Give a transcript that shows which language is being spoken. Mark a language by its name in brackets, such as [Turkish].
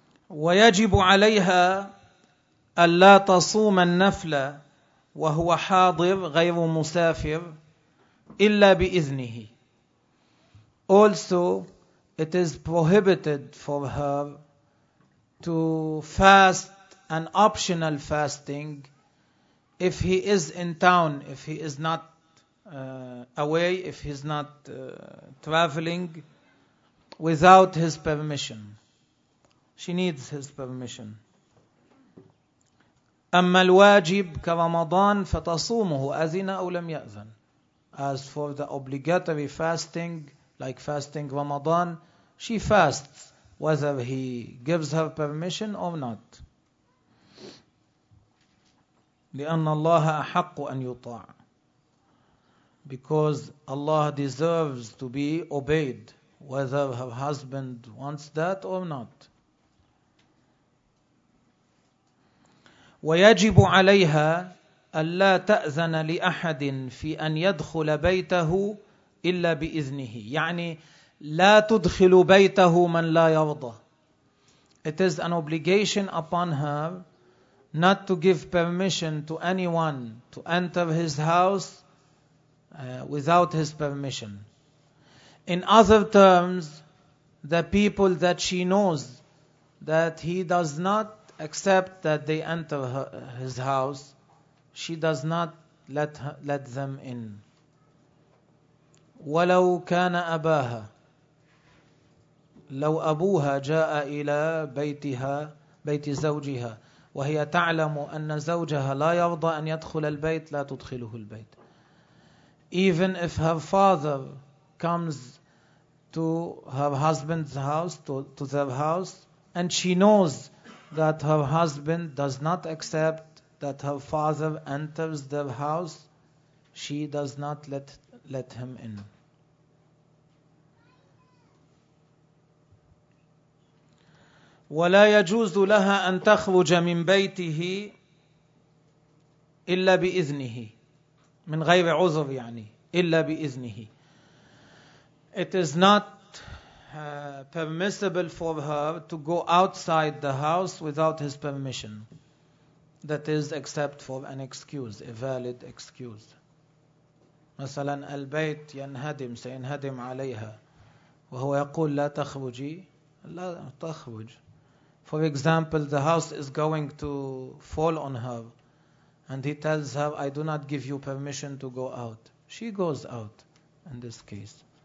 [Arabic] ويجب عليها ألا تصوم النفلة وهو حاضر غير مسافر إلا بإذنه. [English] Also, it is prohibited for her to fast an optional fasting if he is in town, if he is not away, if he is not traveling without his permission. She needs his permission. [Arabic] أما الواجب كرمضان فتصومه أذن أو لم يأذن. [English] As for the obligatory fasting, like fasting Ramadan, she fasts whether he gives her permission or not. [Arabic] لأن الله أحق أن يطاع. [English] Because Allah deserves to be obeyed. whether her husband wants that or not. [Arabic] وَيَجِبُ عَلَيْهَا أَلَّا تَأْذَنَ لِأَحَدٍ فِي أَنْ يَدْخُلَ بَيْتَهُ إِلَّا بِإِذْنِهِ. يعني لا تدخل بيته من لا يرضى. [English] It is an obligation upon her not to give permission to anyone to enter his house without his permission. In other terms, the people that she knows that he does not accept that they enter his house, she does not let them in. [Arabic] وَلَوْ كَانَ أَبَاهَا لو أبوها جاء إلى بيتها بيت زوجها وهي تعلم أن زوجها لا يرضى أن يدخل البيت لا تدخله البيت. [English] Even if her father comes to her husband's house, to their house, and she knows that her husband does not accept that her father enters their house, she does not let him in. [Arabic] ولا يجوز لها أن تخرج من بيته إلا بإذنه. من غير عذر يعني إلا بإذنه. [English] It is not permissible for her to go outside the house without his permission. That is except for an excuse, a valid excuse. [Arabic] مثلا البيت ينهدم سينهدم عليها وهو يقول لا تخرجي لا تخرج. [English] For example, the house is going to fall on her and he tells her, I do not give you permission to go out. She goes out in this case.